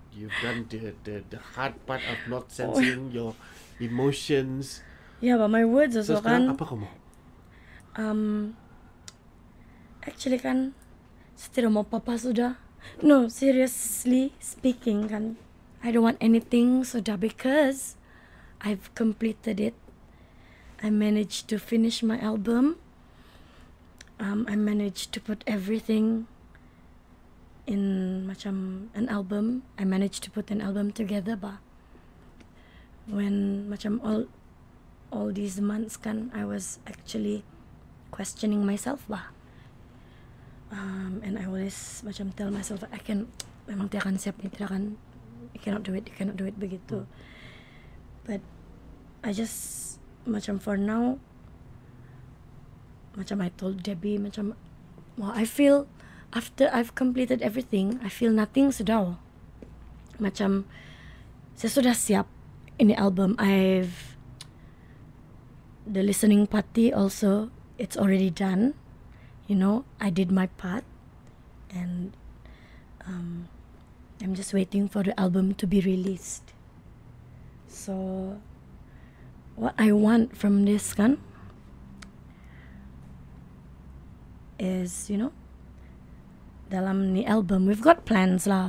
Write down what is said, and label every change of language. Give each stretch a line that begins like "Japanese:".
English: You've done the hard part of not sensing your emotions. Yeah, but my words also.
Malay: So sekarang apa kau mau? Actually kan, saya tidak mau papa sudah.
English: No, seriously speaking, kan, I don't want anything sudah because I've completed it. I managed to finish my album. I managed to put everything in macam an album. I managed to put an album together, ba. When macam all these months, kan, I was actually questioning myself, ba. And I always macam tell myself I can,
Malay: memang tidak akan siap ni, tidak akan,
English: I cannot do it begitu. But I just macam for now, macam I told Debbie macam, well I feel after I've completed everything, I feel nothing sudah.
Malay: Macam saya sudah siap ini album.
English: I've the listening party also, it's already done. You know, I did my part, and I'm just waiting for the album to be released. So, what I want from this kan is, you know,
Malay: dalam ni album
English: we've got plans lah.